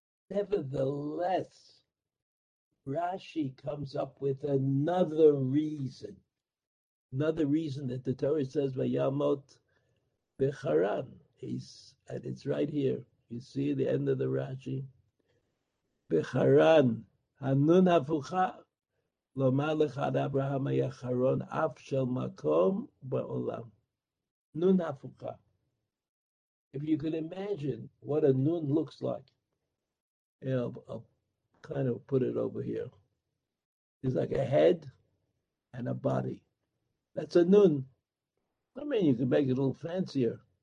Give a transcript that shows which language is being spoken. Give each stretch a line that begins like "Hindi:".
English: Nevertheless, Rashi comes up with another reason that the Torah says,
Hebrew: Vayamot b'charan,
English: and it's right here. You see the end of the Rashi? B'charan.
Hebrew: הנון הפוכה, לומר לך עד אברהם היה חרון אף של מקום בעולם. נון הפוכה.
English: If you could imagine what a nun looks like, I'll kind of put it over here. It's like a head and a body. That's a nun. I mean, you can make it a little fancier.